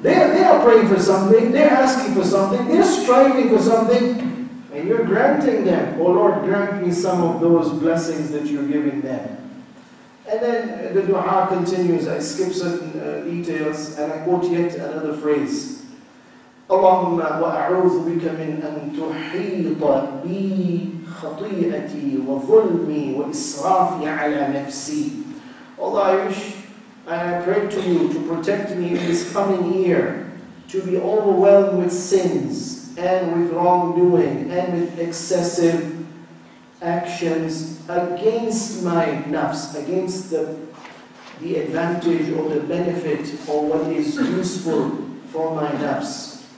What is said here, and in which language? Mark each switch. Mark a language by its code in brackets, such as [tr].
[en] They are praying for something, they're asking for something, they're striving for something, and you're granting them. Oh Lord, grant me some of those blessings that you're giving them. And then the dua continues. I skip certain details, and I quote yet another phrase. [ar] اللهم وأعوذ بك من أن تحيط بي خطيئتي وظلمي وإسرافي على نفسي. [en] Allah, I wish, I pray to you to protect me in this coming year, to be overwhelmed with sins and with wrongdoing and with excessive actions against my nafs, against the advantage or the benefit or what is useful for my nafs.